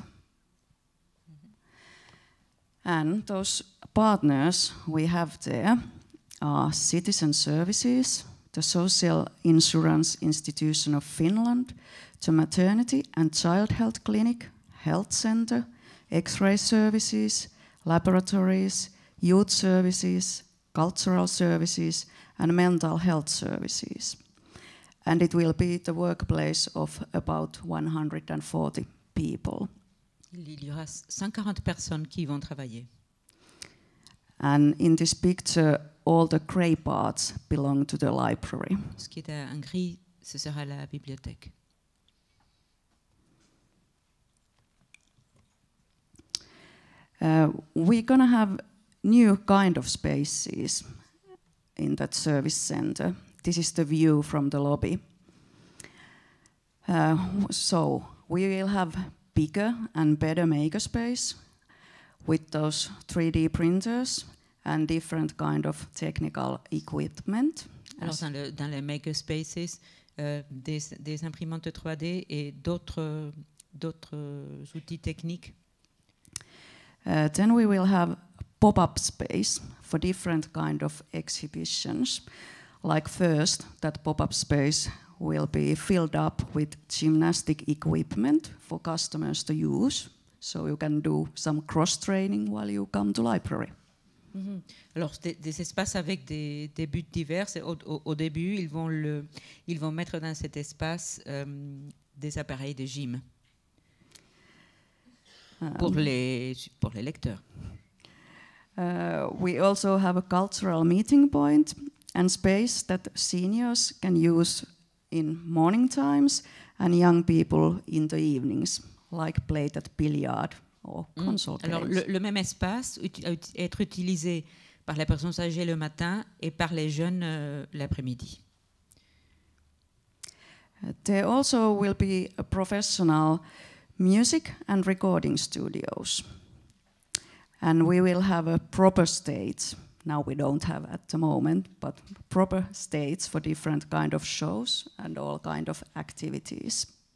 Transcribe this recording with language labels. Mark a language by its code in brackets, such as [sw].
[en] Mm-hmm. And those partners we have there are Citizen Services, the Social Insurance Institution of Finland, the Maternity and Child Health Clinic, Health Center, X-ray services, laboratories, youth services, cultural services, and mental health services. And it will be the workplace of about 140 people. [fr] Il y aura 140 personnes qui vont travailler. [en] And in this picture, all the gray parts belong to the library. [fr] Ce qui est en gris, ce sera la bibliothèque. [en] We're going to have new kind of spaces in that service center. This is the view from the lobby. So we will have bigger and better maker space with those 3D printers and different kind of technical equipment. [fr] Alors dans les maker spaces, des imprimantes 3D et d'autres outils techniques. [en] Then we will have pop-up space for different kind of exhibitions. Like first, that pop-up space will be filled up with gymnastic equipment for customers to use, so you can do some cross-training while you come to library. [fr] Mm-hmm. Alors, des espaces avec des buts divers. Au début, ils vont mettre dans cet espace des appareils de gym pour les lecteurs. [en] We also have a cultural meeting point and space that seniors can use in morning times and young people in the evenings, like play at billiard or console games. [fr] Alors le même espace être utilisé par les personnes âgées le matin et par les jeunes l'après-midi. [en] There also will be a professional music and recording studios. And we will have a proper stage. Now we don't have at the moment, but proper stage for different kind of shows and all kind of activities.